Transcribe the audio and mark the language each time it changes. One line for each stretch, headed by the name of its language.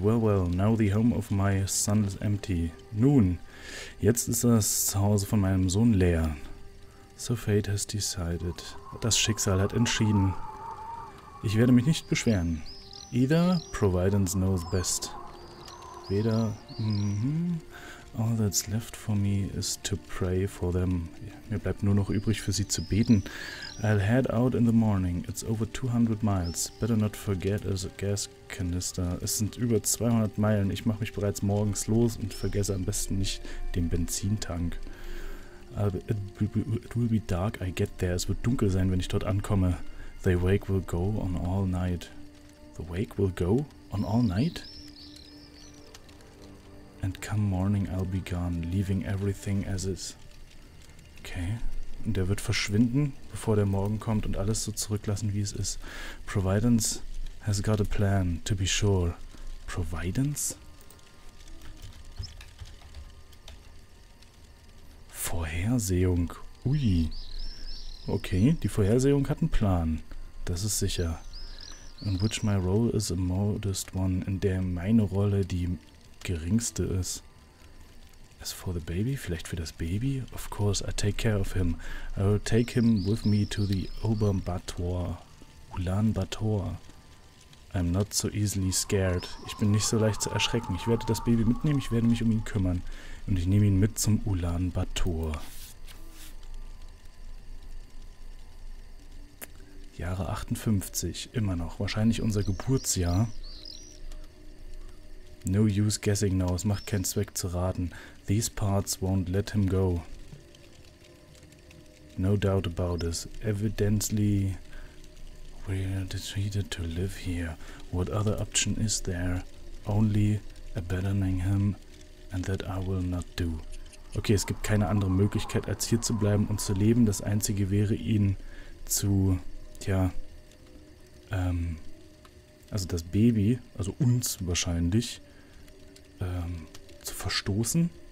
English: Well, now the home of my son is empty.
German: Nun, jetzt ist das Zuhause von meinem Sohn leer.
English: So fate has decided.
German: Das Schicksal hat entschieden. Ich werde mich nicht beschweren.
English: Either Providence knows best.
German: Weder...
English: All that's left for me is to pray for them.
German: Mir bleibt nur noch übrig, für sie zu beten.
English: I'll head out in the morning. It's over 200 miles. Better not forget a gas canister.
German: Es sind über 200 Meilen. Ich mache mich bereits morgens los und vergesse am besten nicht den Benzintank.
English: It will be dark. I get there.
German: Es wird dunkel sein, wenn ich dort ankomme.
English: The wake will go on all night. The wake will go on all night? And come morning I'll be gone, leaving everything as is. Okay.
German: Und der wird verschwinden, bevor der Morgen kommt und alles so zurücklassen, wie es ist.
English: Providence has got a plan, to be sure. Providence?
German: Vorhersehung. Ui. Okay, die Vorhersehung hat einen Plan. Das ist sicher.
English: In which my role is a modest one,
German: in der meine Rolle die geringste ist.
English: As for the baby?
German: Vielleicht für das Baby?
English: Of course, I take care of him. I will take him with me to the Ulaanbaatar. I'm not so easily scared.
German: Ich bin nicht so leicht zu erschrecken. Ich werde das Baby mitnehmen, ich werde mich um ihn kümmern. Und ich nehme ihn mit zum Ulaanbaatar. Jahre 58, immer noch. Wahrscheinlich unser Geburtsjahr.
English: No use guessing now,
German: es macht keinen Zweck zu raten.
English: These parts won't let him go. No doubt about this. Evidently, we're decided to live here. What other option is there? Only abandoning him And that I will not do.
German: Okay, es gibt keine andere Möglichkeit, als hier zu bleiben und zu leben. Das Einzige wäre, ihn zu, tja, also das Baby, also uns wahrscheinlich, zu verstoßen.